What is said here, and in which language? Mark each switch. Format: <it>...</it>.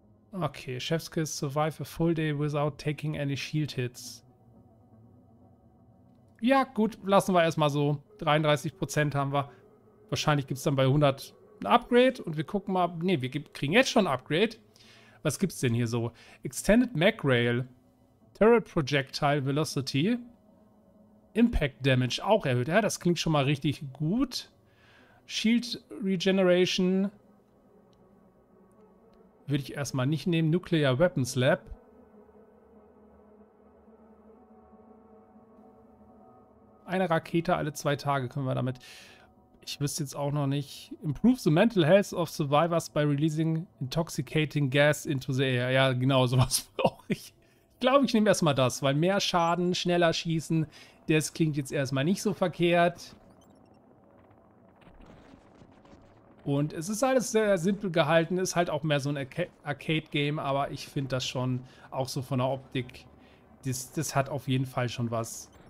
<en>Okay, Chef's Kiss, survive a full day without taking any shield hits.</en> <de>Ja, gut, lassen wir erstmal so. 33% haben wir. Wahrscheinlich gibt es dann bei 100... ein Upgrade und wir gucken mal. Ne, wir kriegen jetzt schon ein Upgrade. Was gibt's denn hier so?</de> <en>Extended Mag Rail, Turret Projectile Velocity, Impact Damage</en> <de>auch erhöht. Ja, das klingt schon mal richtig gut. Shield Regeneration würde ich erstmal nicht nehmen.</de> <en>Nuclear Weapons Lab.</en> <de>Eine Rakete alle 2 Tage können wir damit. Ich wüsste jetzt auch noch nicht.</de> <en>Improve the mental health of survivors by releasing intoxicating gas into the air.</en> <de>Ja, genau, sowas brauche ich. Ich glaube, ich nehme erstmal das, weil mehr Schaden, schneller schießen, das klingt jetzt erstmal nicht so verkehrt. Und es ist alles sehr simpel gehalten, ist halt auch mehr so ein Arcade-Game, aber ich finde das schon auch so von der Optik, das hat auf jeden Fall schon was.</de>